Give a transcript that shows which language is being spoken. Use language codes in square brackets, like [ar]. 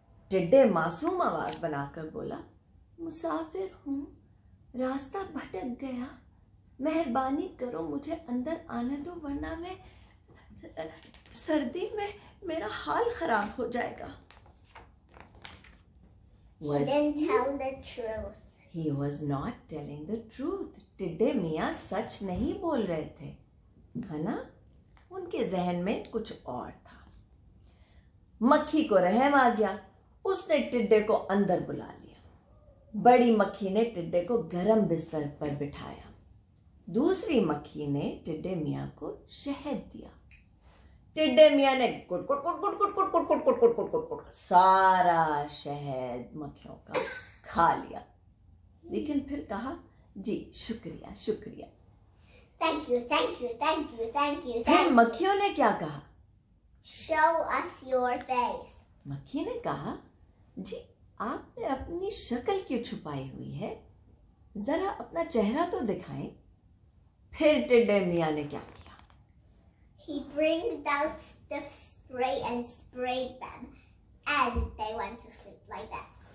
[hi] टिड्डे मासूम आवाज बनाकर बोला, मुसाफिर हूँ, रास्ता भटक गया. मेहरबानी करो मुझे अंदर आने दो, वरना मैं सर्दी में मेरा हाल खराब हो जाएगा. [en] He was not telling the truth. [hi] टिड्डे मियाँ सच नहीं बोल रहे थे, है ना? उनके जहन में कुछ और था. मक्खी को रहम आ गया, उसने टिड्डे को अंदर बुला लिया. बड़ी मक्खी ने टिड्डे को गरम बिस्तर पर बिठाया. दूसरी मक्खी ने टिड्डे मियाँ को शहद दिया. टिड्डे मियाँ ने कुट कुट कुट कुट कुट कुट कुट कुट कुट कुट कुट कुट कुट सारा शहद मक्खियों का खा लिया, लेकिन फिर कहा, जी शुक्रिया शुक्रिया. [en] Thank you. [hi] मक्खियों ने क्या कहा? [en] Show us your face. [hi] मक्खी ने कहा, जी आपने अपनी शक्ल क्यों छुपाई हुई है? जरा अपना चेहरा तो दिखाएं. फिर टिड्डे मियाँ ने क्या किया? [en] He brought out the spray and sprayed them, and they went to sleep like that.